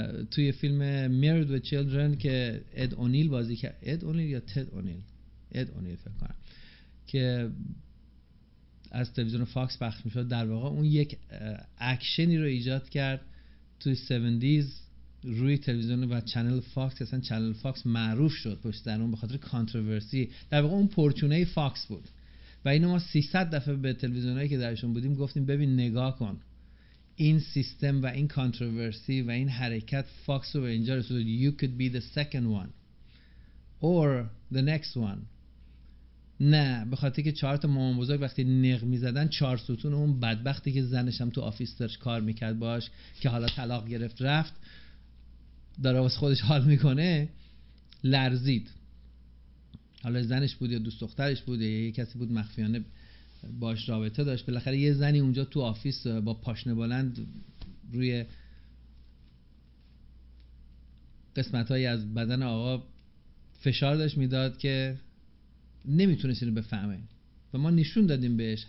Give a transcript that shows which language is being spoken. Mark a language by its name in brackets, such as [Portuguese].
[Persian] توی فیلم Married with Children که اد اونیل بازی کرد، اد اونیل یا تد اونیل، اد اونیل فکر کنم، که از تلویزیون فاکس پخش میشد، در واقع اون یک اکشنی رو ایجاد کرد توی 70s روی تلویزیون و چنل فاکس. اصلا چنل فاکس معروف شد پشت در اون به خاطر کانتروورسی، در واقع اون پورتونه فاکس بود. و اینو ما 300 دفعه به تلویزیونایی که درشون بودیم گفتیم ببین نگاه کن این سیستم و این کانتروورسی و این حرکت فاکس رو به اینجا رسوند. [English] You could be the second one or the next one. [Persian] نه، به خاطر که چهار تا مامان بزرگ وقتی نق میزدن، چهار ستون اون بدبختی که زنش هم تو آفیس داشت کار میکرد باش که حالا طلاق گرفت رفت داره واسه خودش حال میکنه، لرزید. حالا زنش بود یا دوست دخترش بود یا یه کسی بود مخفیانه باش رابطه داشت، بالاخره یه زنی اونجا تو آفیس با پاشنه بلند روی قسمت‌هایی از بدن آقا فشار داشت میداد که نمیتونست اینو بفهمه و ما نشون دادیم بهش.